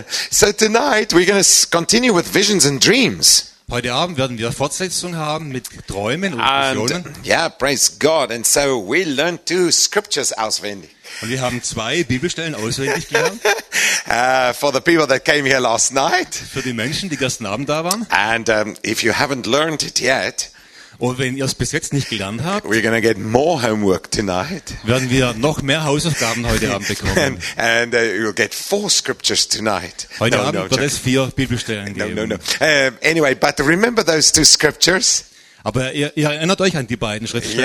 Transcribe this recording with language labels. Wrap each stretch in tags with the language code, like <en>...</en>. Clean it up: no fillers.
<en>So tonight we're going to continue with visions and dreams.</en> <de>Heute Abend werden wir Fortsetzung haben mit Träumen und Visionen.</de> <en>Yeah, praise God. And so we learned two scriptures auswendig.</en> <de>Und wir haben zwei Bibelstellen auswendig gelernt.</de> <en>For the people that came here last night.</en> <de>Für die Menschen, die gestern Abend da waren.</de> <en>And if you haven't learned it yet.</en> <de>Und wenn ihr es bis jetzt nicht gelernt habt,</de> <en>we're gonna get more homework tonight.</en> <de>Werden wir noch mehr Hausaufgaben heute Abend bekommen.</de> <en>And you'll get four scriptures tonight.</en> <de>Heute Abend wird es vier Bibelstellen geben.</de> <en>No. Anyway, but remember those two scriptures.</en> <de>Aber ihr erinnert euch an die beiden Schriftstellen.</de>